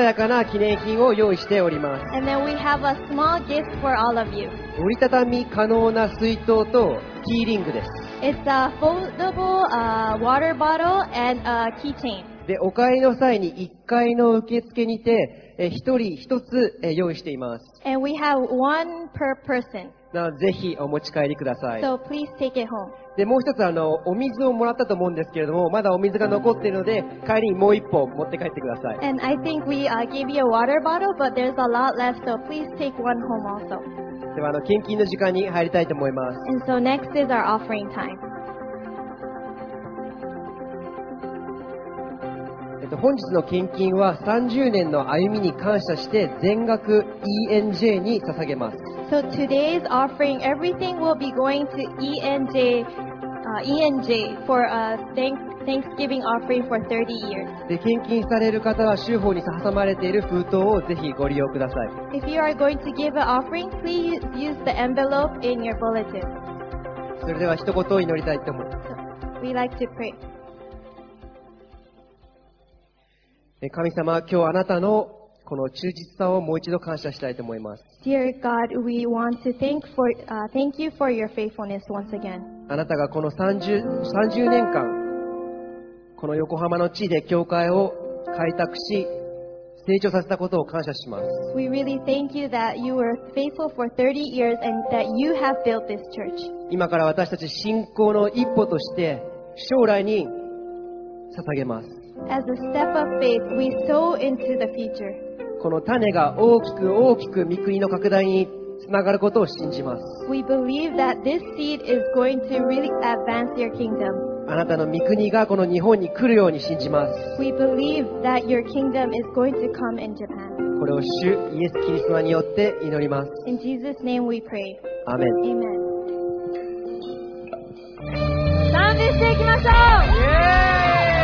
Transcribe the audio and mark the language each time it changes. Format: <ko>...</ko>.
<ja>やかな記念品を用意しております。</ja> <en>And then we have a small gift for all of you.</en> <ja>折りたたみ可能な水筒とキーリングです。</ja> <en>It's a foldable, water bottle and a keychain.</en> <ja>でお帰りの際に1階の受付にて1人1つ用意しています。</ja> <en>And we have one per person.</en> <ja>なのでぜひお持ち帰りください。</ja> <en>So please take it home.</en> <ja>でもう1つお水をもらったと思うんですけれども、まだお水が残っているので帰りにもう1本持って帰ってください。</ja> <en>And I think we gave you a water bottle, but there's a lot left, so please take one home also.</en> <ja>では献金の時間に入りたいと思います。</ja> <en>And so next is our offering time.</en> <ja>本日の献金は30年の歩みに感謝して全額 ENJ に捧げます。</ja> <en>So today's offering, everything will be going to ENJ, ENJ for a Thanksgiving offering for 30 years.</en> <ja>で献金される方は収奉に挟まれている封筒をぜひご利用ください。</ja> <en>If you are going to give an offering, please use the envelope in your bulletin.</en> <ja>それでは一言を祈りたいと思います。</ja> <en>We like to pray.</en> <ja>神様、今日あなたのこの忠実さをもう一度感謝したいと思います。</ja> <en>Dear God, we want to thank you for your faithfulness once again.</en> <ja>あなたがこの30年間、この横浜の地で教会を開拓し、成長させたことを感謝します。</ja> <en>We really thank you that you were faithful for 30 years and that you have built this church.</en> <ja>今から私たち信仰の一歩として、将来に捧げます。</ja> <en>As a step of faith, we sow into the future.</en> <ja>この種が大きく大きく御国の拡大につながることを信じます。</ja> <en>We believe that this seed is going to really advance your kingdom.</en> <ja>あなたの御国がこの日本に来るように信じます。</ja> <en>We believe that your kingdom is going to come in Japan.</en> <ja>これを主イエス・キリストによって祈ります。</ja> <en>In Jesus' name we pray. Amen. Amen.</en> <ja>賛美していきましょう。</ja>